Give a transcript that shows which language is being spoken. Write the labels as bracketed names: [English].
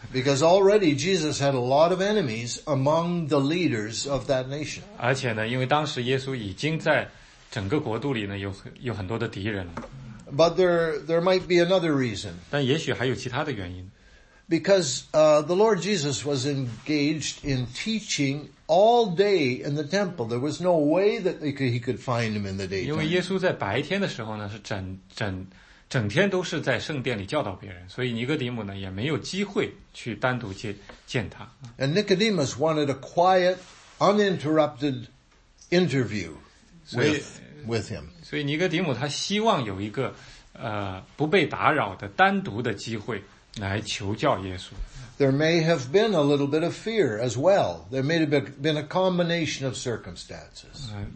[English] Because already Jesus had a lot of enemies among the leaders of that nation. [Chinese] 而且呢，因为当时耶稣已经在整个国度里呢，有很多的敌人了。 [English] But there might be another reason. [Chinese] 但也许还有其他的原因。 [English] Because the Lord Jesus was engaged in teaching all day in the temple. There was no way that he could find him in the daytime. [Chinese] 因为耶稣在白天的时候呢，是整天都是在圣殿里教导别人，所以尼哥底母呢也没有机会去单独见他。 [English] And Nicodemus wanted a quiet, uninterrupted interview with him. [Chinese] 所以尼哥底母他希望有一个不被打扰的单独的机会。 [English] There may have been a little bit of fear as well. There may have been a combination of circumstances.